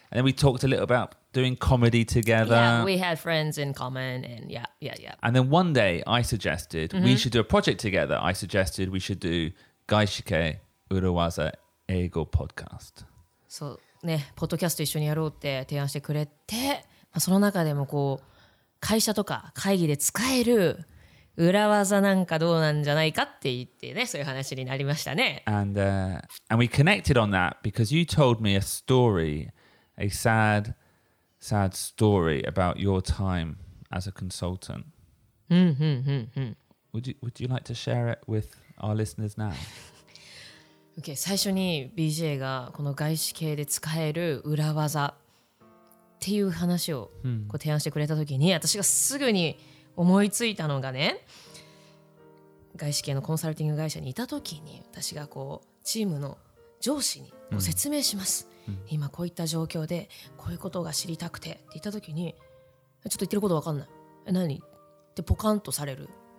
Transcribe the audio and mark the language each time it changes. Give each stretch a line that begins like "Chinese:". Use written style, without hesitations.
English: And then we talked a little about doing comedy together. Yeah, we had friends in common. And yeah. And then one day I suggested we should do a project together. I suggested we should do Gaishike Urowaza Eigo Podcast. So, yeah, podcast to share with the team. And in the
Japanese: 中でもこう会社とか会議で使える裏技なんかどうなんじゃないかって言ってね、そういう話になりましたね。
English: And we connected on that because you told me a story, a sad, sad story about your time as a consultant. Would you like to share it with our listeners now?
Japanese: Okay, 最初に BJ がこの外資系で使える裏技っていう話をこう提案してくれた時に、私がすぐに思いついたのがね、外資系のコンサルティング会社にいた時に、私がこうチームの上司にこう説明します、うん、今こういった状況でこういうことが知りたくてって言った時に、ちょっと言ってること分かんない、何ってポカンとされる。